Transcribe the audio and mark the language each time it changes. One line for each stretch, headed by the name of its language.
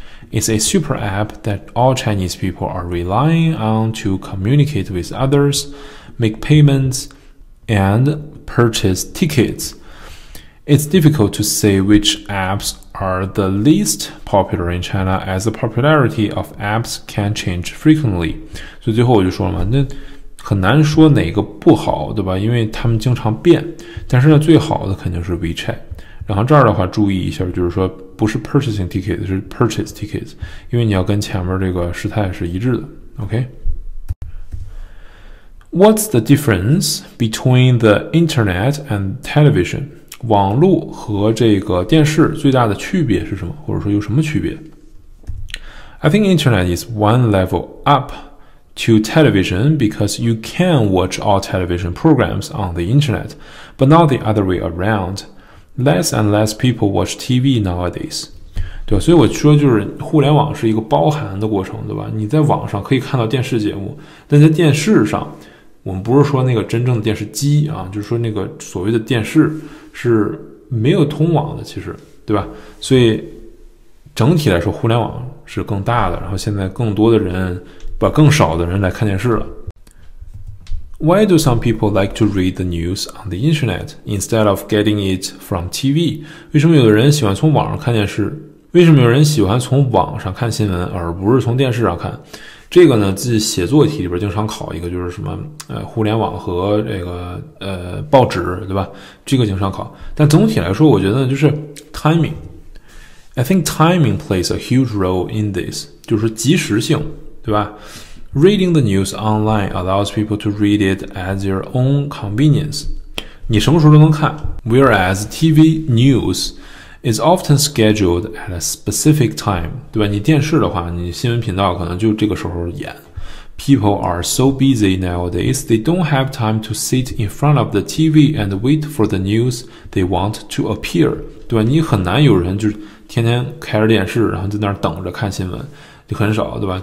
English: It's a super app that all Chinese people are relying on to communicate with others, make payments, and purchase tickets. It's difficult to say which apps are the least popular in China as the popularity of apps can change frequently.
Chinese: 所以最后我就说了嘛，那很难说哪个不好，对吧？因为他们经常变，但是呢最好的肯定是 WeChat。然后这儿的话注意一下，就是说不是
English: purchasing tickets，
Chinese: 是
English: purchase tickets，
Chinese: 因为你要跟前面这个时态是一致的。
English: OK， What's the difference between the internet and television？
Chinese: 网路和这个电视最大的区别是什么，或者说有什么区别？
English: I think internet is one level upto television because you can watch all television programs on the internet, but not the other way around. Less and less people watch TV nowadays.
Chinese: 对，所以我说就是互联网是一个包含的过程，对吧？你在网上可以看到电视节目，但在电视上，我们不是说那个真正的电视机啊，就是说那个所谓的电视是没有通网的，其实，对吧？所以整体来说互联网是更大的，然后现在更多的人把更少的人来看电视了。
English: Why do some people like to read the news on the internet instead of getting it from TV?
Chinese: 为什么有的人喜欢从网上看电视？为什么有人喜欢从网上看新闻而不是从电视上看？这个呢，自己写作题里边经常考一个，就是什么互联网和这个报纸，对吧？这个经常考。但总体来说，我觉得就是 timing。
English: I think timing plays a huge role in this，
Chinese: 就是及时性，对吧？
English: Reading the news online allows people to read it at their own convenience。
Chinese: 你什么时候都能看 ，
English: whereas TV news。 It's often scheduled at a specific time，
Chinese: 对吧？你电视的话，你新闻频道可能就这个时候演。
English: People are so busy nowadays, they don't have time to sit in front of the TV and wait for the news they want to appear，
Chinese: 对吧？你很难有人就天天开着电视，然后在那儿等着看新闻，就很少，对吧？